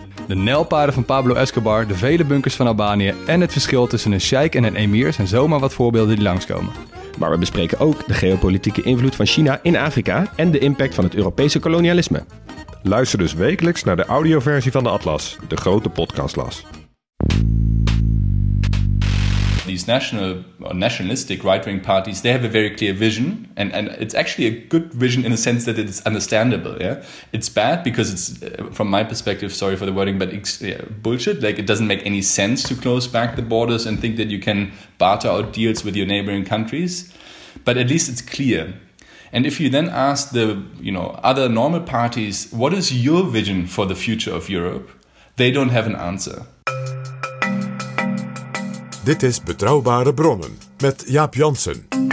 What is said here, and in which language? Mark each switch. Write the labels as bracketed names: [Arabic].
[Dutch] De nijlpaarden van Pablo Escobar, de vele bunkers van Albanië en het verschil tussen een sheik en een emir zijn zomaar wat voorbeelden die langskomen. Maar we bespreken ook de geopolitieke invloed van China in Afrika en de impact van het Europese kolonialisme. Luister dus wekelijks naar de audioversie van de Atlas, de grote podcastlas. [English] These national or nationalistic right-wing parties, they have a very clear vision, and it's actually a good vision in a sense that it's understandable. Yeah, it's bad because it's, from my perspective, sorry for the wording, but bullshit. Like, it doesn't make any sense to close back the borders and think that you can barter out deals with your neighboring countries. But at least it's clear. And if you then ask the, you know, other normal parties, what is your vision for the future of Europe? They don't have an answer. [Dutch] Dit is Betrouwbare Bronnen met Jaap Janssen.